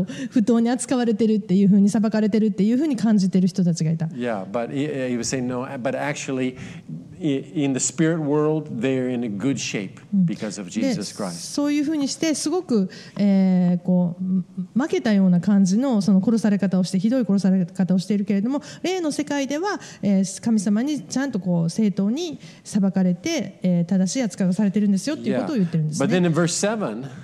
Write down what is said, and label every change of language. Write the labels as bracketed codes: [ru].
[ja] 不当に扱われてるっていう風に、裁かれてるっていう風に感じてる人たちがいた。 [en] Yeah, but he was saying no, but actually in the spirit world they're in a good shape because of Jesus Christ. [ja] そういう風にしてすごく、こう負けたような感じのその殺され方をして、ひどい殺され方をしているけれども、霊の世界では、神様にちゃんとこう正当に裁かれて、正しい扱いをされているんですよっていうことを言ってるんですね。 [en] But then in verse 7,